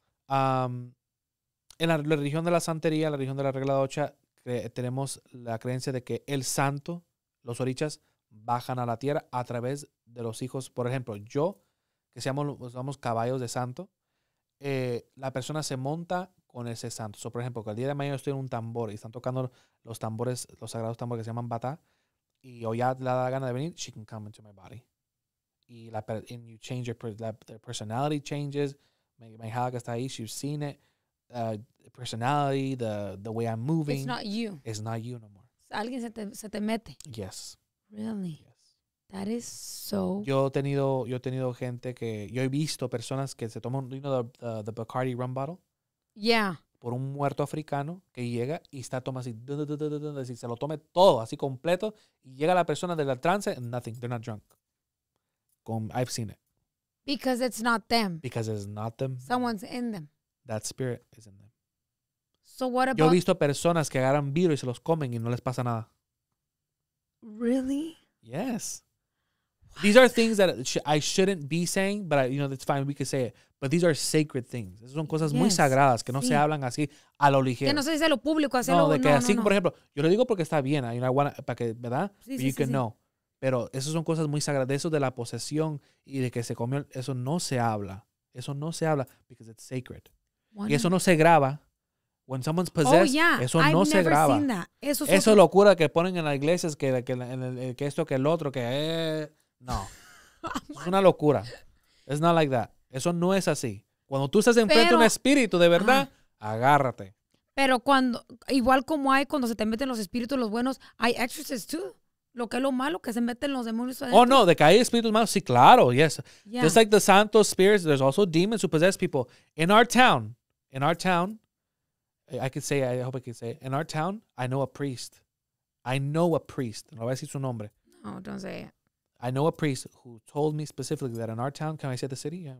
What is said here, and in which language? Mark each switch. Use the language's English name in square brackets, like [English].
[Spanish] En la religión de la santería, la religión de la regla de ocha, tenemos la creencia de que el santo, los orichas, bajan a la tierra a través de los hijos. Por ejemplo, yo, que somos caballos de santo, la persona se monta con ese santo. So, por ejemplo, que el día de mañana estoy en un tambor y están tocando los tambores, los sagrados tambores que se llaman bata, y o ya le da la gana de venir, [English] she can come into my body. [Spanish] Y la [English] and you change their personality changes. My hija [Spanish] que está ahí, [English] she's seen it. The personality, the way I'm moving. It's not you. It's not you no more. [Spanish] Alguien se te mete. [English] Yes. Really? Yes. That is so. [Spanish] Yo he tenido gente que yo he visto personas que se toman, [English] you know, the Bacardi rum bottle. Yeah. [Spanish] Por un muerto africano que llega y está tomando así, se lo tome todo así completo y llega la persona de la trance [English] and nothing, they're not drunk. I've seen it. Because it's not them. Because it's not them. Someone's in them. That spirit is in them. So what about? [Spanish] Yo he visto personas que agarran virus y se los comen y no les pasa nada. [English] Really? Yes. These are things that I shouldn't be saying, but I, you know, it's fine. We could say it. But these are sacred things. [Spanish] Esas son cosas muy sagradas que no se hablan así a lo ligero. Que no se dice lo público, así lo... No, de que así, por ejemplo, yo lo digo porque está bien. Hay una buena, para que, ¿verdad? Sí, [English] you can know. [Spanish] Pero esas son cosas muy sagradas. Eso de la posesión y de que se comió, eso no se habla. Eso no se habla [English] because it's sacred. [Spanish] Y eso no se graba. [English] When someone's possessed, [Spanish] eso no se graba. [English] Oh, yeah, I've never seen [Spanish] that. Eso es locura que ponen en las iglesias, que esto, que el otro, que... No. Es una locura. [English] It's not like that. [Spanish] Eso no es así. Cuando tú estás enfrente de un espíritu, de verdad, agárrate. Pero cuando, igual como hay cuando se te meten los espíritus, los buenos, hay [English] exorcists too. [Spanish] Lo que es lo malo, que se meten los demonios adentro. Oh, no, de que hay espíritus malos. Sí, claro, [English] yes. Yeah. Just like the santo spirits, there's also demons who possess people. In our town, I hope I can say it. In our town, I know a priest. [Spanish] No voy a decir su nombre. [English] No, don't say it. I know a priest who told me specifically that in our town, can I say the city?